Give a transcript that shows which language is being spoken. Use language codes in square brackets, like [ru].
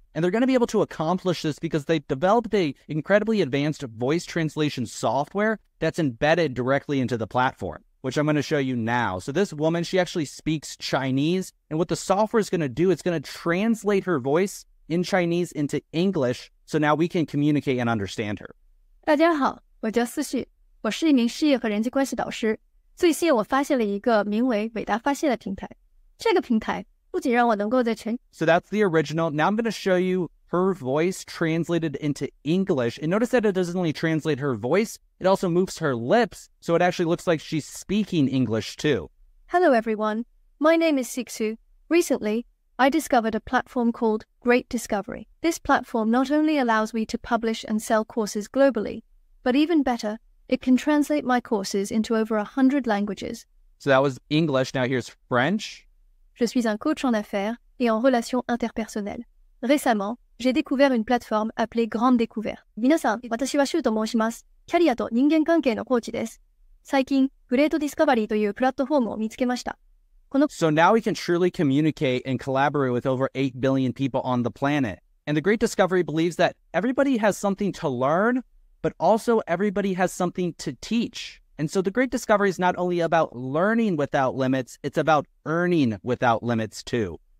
[en] And they're going to be able to accomplish this because they've developed an incredibly advanced voice translation software that's embedded directly into the platform, which I'm going to show you now. So this woman, she actually speaks Chinese. And what the software is going to do, it's going to translate her voice in Chinese into English. So now we can communicate and understand her. [zh] 大家好，我叫思绪，我是一名事业和人际关系导师。最近我发现了一个名为“伟达发现”的平台，这个平台不仅让我能够在全 [en] So that's the original. Now I'm going to show you her voice translated into English. And notice that it doesn't only translate her voice, it also moves her lips. So it actually looks like she's speaking English too. Hello, everyone. My name is Sixu. Recently, I discovered a platform called Great Discovery. This platform not only allows me to publish and sell courses globally, but even better, it can translate my courses into over 100 languages. So that was English. Now here's French. [fr] Je suis un coach en affaires et en relations interpersonnelles. Récemment, j'ai découvert une plateforme appelée Grande Découverte. [ja] 皆さん、私はシュート申します。キャリアと人間関係のコーチです。最近、グレートディスカバリーというプラットフォームを見つけました。この [en] So now we can truly communicate and collaborate with over 8 billion people on the planet. And the Great Discovery believes that everybody has something to learn. But also, everybody has something to teach. And so, the Great Discovery is not only about learning without limits, it's about earning without limits, too.